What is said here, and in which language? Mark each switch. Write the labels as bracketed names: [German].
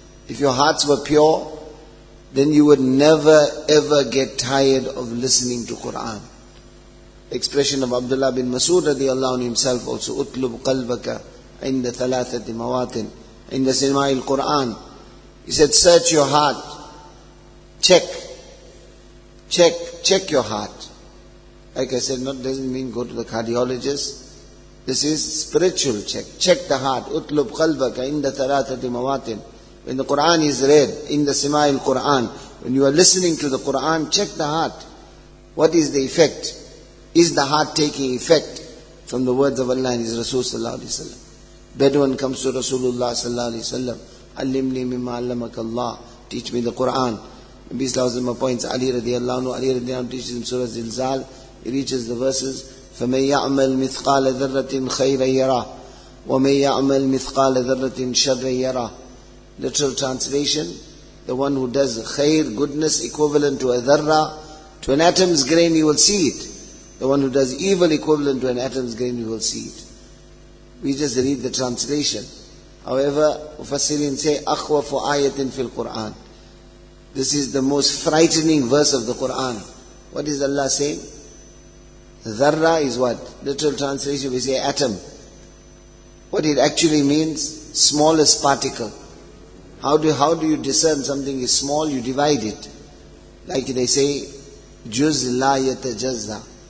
[English] If your hearts were pure, then you would never ever get tired of listening to Quran. Expression of Abdullah bin Masood رضی اللہ عنہ himself also, [Arabic] اطلب قلبک عند ثلاثة مواطن عند سماع القرآن. [English] He said, search your heart. Check your heart. Like I said, not doesn't mean go to the cardiologist. This is spiritual check. Check the heart. [Arabic] اطلب قلبك عند ثلاثة مواطن. [English] When the Quran is read, [Arabic] عند سماع القرآن. [English] When you are listening to the Quran, check the heart. What is the effect? Is the heart taking effect from the words of Allah and His Rasul sallallahu alayhi wa sallam? Bedouin comes to Rasulullah sallallahu alayhi wa sallam. [Arabic] Allimni mimma allamaka Allah. [English] Teach me the Quran. Nabi sallallahu alayhi wa sallam appoints Ali radiallahu anhu. Ali radiallahu anhu teaches him Surah Zilzal. He reaches the verses. [Arabic] فَمَنْ يَعْمَلْ مِثْقَالَ ذَرَّةٍ خَيْرًا يَرَهُ وَمَنْ يَعْمَلْ مِثْقَالَ ذَرَّةٍ شَرًّا يَرَهُ. [English] Literal translation. The one who does khair, goodness, equivalent to a dharra, to an atom's grain, he will see it. The one who does evil, equivalent to an atom's grain, he will see it. We just read the translation. However, Mufassirin say, [Arabic] أَخْوَفُ آيَةٍ فِي الْقُرْآنِ. [English] This is the most frightening verse of the Quran. What is Allah saying? Dharra is what? Literal translation, we say atom. What it actually means, smallest particle. How do you discern something is small? You divide it. Like they say, [Arabic] juz la yatajazza.